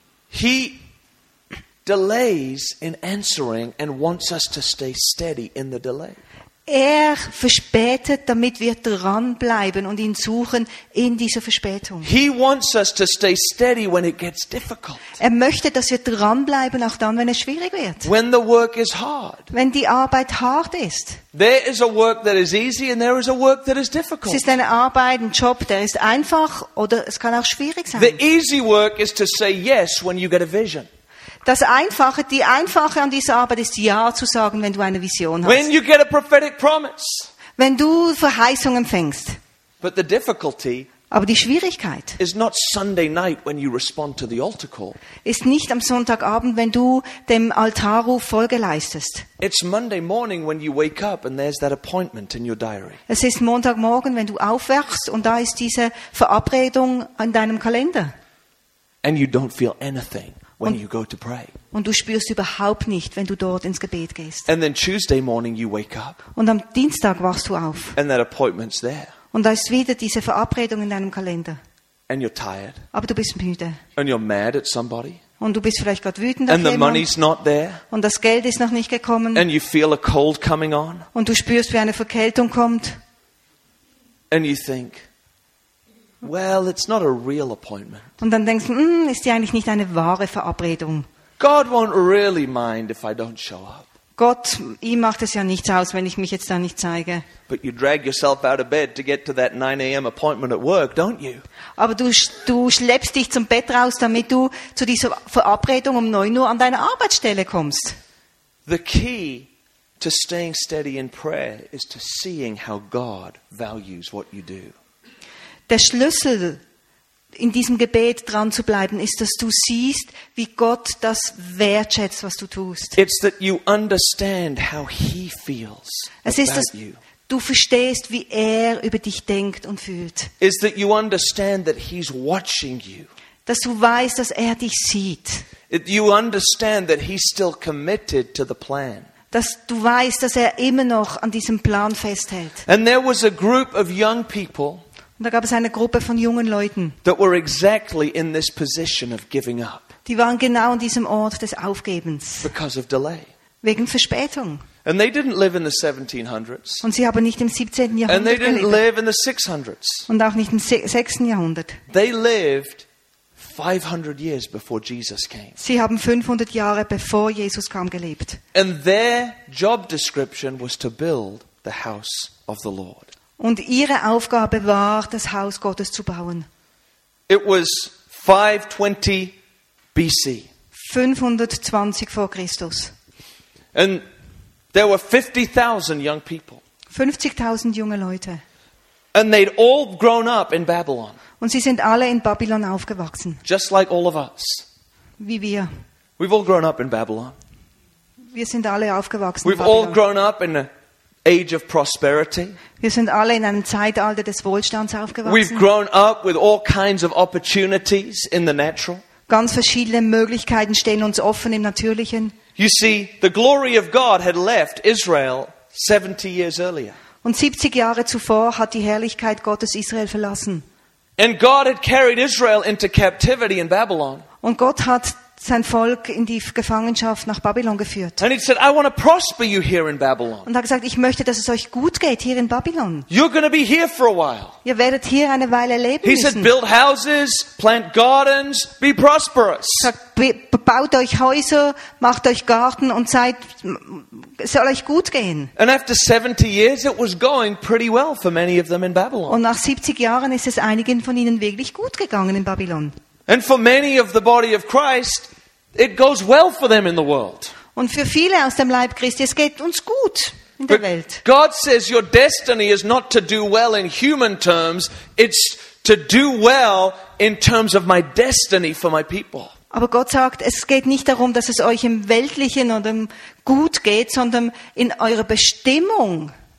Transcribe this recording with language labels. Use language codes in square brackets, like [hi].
[en] He delays in answering and wants us to stay steady in the delay. [de] Er verspätet, damit wir dranbleiben und ihn suchen in dieser Verspätung. [en] He wants us to stay steady when it gets difficult. [de] Er möchte, dass wir dranbleiben, auch dann, wenn es schwierig wird. [en] When the work is hard. [de] Wenn die Arbeit hart ist. [en] There is a work that is easy and there is a work that is difficult. [de] Es ist eine Arbeit, ein Job, der ist einfach oder es kann auch schwierig sein. [en] The easy work is to say yes when you get a vision. [de] Das Einfache, die Einfache an dieser Arbeit ist, Ja zu sagen, wenn du eine Vision hast. [en] When you get a prophetic promise. [de] Wenn du Verheißung empfängst. [en] But the difficulty [de] Aber die Schwierigkeit [en] is not Sunday night when you respond to the altar call. [de] Ist nicht am Sonntagabend, wenn du dem Altarruf Folge leistest. [en] It's Monday morning when you wake up and there's that appointment in your diary. [de] Es ist Montagmorgen, wenn du aufwachst und da ist diese Verabredung in deinem Kalender. [en] And you don't feel anything when you go to pray. [de] Und du spürst überhaupt nicht, wenn du dort ins Gebet gehst. [en] And then Tuesday morning you wake up. [de] Und am Dienstag wachst du auf. [en] And that appointment's there. [de] Und da ist wieder diese Verabredung in deinem Kalender. [en] And you're tired. [de] Aber du bist müde. [en] And you're mad at somebody. [de] Und du bist vielleicht gerade wütend auf jemanden. [en] Money's not there. [de] Und das Geld ist noch nicht gekommen. [en] And you feel a cold coming on. [de] Und du spürst, wie eine Verkältung kommt. [en] And you think, well, it's not a real appointment. [de] Und dann denkst du, ist die eigentlich nicht eine wahre Verabredung? [en] God won't really mind if I don't show up. [de] Gott, ihm macht es ja nichts aus, wenn ich mich jetzt da nicht zeige. [en] But you drag yourself out of bed to get to that 9 a.m. appointment at work, don't you? [de] Aber du schleppst dich zum Bett raus, damit du zu dieser Verabredung um 9 Uhr an deine Arbeitsstelle kommst. [en] The key to staying steady in prayer is to seeing how God values what you do. [de] Der Schlüssel in diesem Gebet dran zu bleiben, ist, dass du siehst, wie Gott das wertschätzt, was du tust. [en] It's that you understand how he feels. [de] Es ist, dass du verstehst, wie er über dich denkt und fühlt. [en] It's that you understand that he's watching you. [de] Dass du weißt, dass er dich sieht. [en] You understand that he's still committed to the plan. [de] Dass du weißt, dass er immer noch an diesem Plan festhält. [en] And there was a group of young people. [de] Und da gab es eine Gruppe von jungen Leuten, [en] that were exactly in this position of giving up. [de] Die waren genau an diesem Ort des Aufgebens. [en] Because of delay. [de] Wegen Verspätung. [en] And they didn't live in the 1700s. [de] Und sie haben nicht im 17. Jahrhundert [en] And they didn't [de] gelebt. [en] Live in the 600s. [de] Und auch nicht im 6. Jahrhundert. [en] They lived 500 years before Jesus came. [de] Sie haben 500 Jahre bevor Jesus kam gelebt. [en] And their job description was to build the house of the Lord. [de] Und ihre Aufgabe war, das Haus Gottes zu bauen. [en] It was 520 BC. [de] 520 vor Christus. [en] And there were 50,000 young people. [de] 50,000 junge Leute. [en] And they'd all grown up in Babylon. [de] Und sie sind alle in Babylon aufgewachsen. [en] Just like all of us. [de] Wie wir. [en] We've all grown up in Babylon. [de] Wir sind alle aufgewachsen [en] We've [de] in Babylon. [en] We've all grown up in Age of prosperity. [de] Wir sind alle in einem Zeitalter des Wohlstands aufgewachsen. [en] We've grown up with all kinds of opportunities in the natural. [de] Ganz verschiedene Möglichkeiten stehen uns offen im Natürlichen. [en] You see, the glory of God had left Israel 70 years earlier. [de] Und 70 Jahre zuvor hat die Herrlichkeit Gottes Israel verlassen. [en] And God had carried Israel into captivity in Babylon. [de] Und Gott hat sein Volk in die Gefangenschaft nach Babylon geführt. [en] And he said, I want to prosper you here in Babylon. [de] Und er hat gesagt, ich möchte, dass es euch gut geht hier in Babylon. [en] You're going to be here for a while. [de] Ihr werdet hier eine Weile leben [en] he [de] müssen. [en] Said, build houses, plant gardens, be prosperous. [de] Er sagt, baut euch Häuser, macht euch Garten und seid, es soll euch gut gehen. [en] And after 70 years it was going pretty well for many of them in Babylon. [de] Und nach 70 Jahren ist es einigen von ihnen wirklich gut gegangen in Babylon. [en] And for many of the body of Christ, it goes well for them in the world. [de] Und für viele aus dem Leib Christi, es geht uns gut in der Welt. [en] God says your destiny is not to do well in human terms, it's to do well in terms of my destiny for my people. [de] Aber Gott sagt, es geht nicht darum, dass es euch im Weltlichen oder im gut geht, sondern in eurer Bestimmung.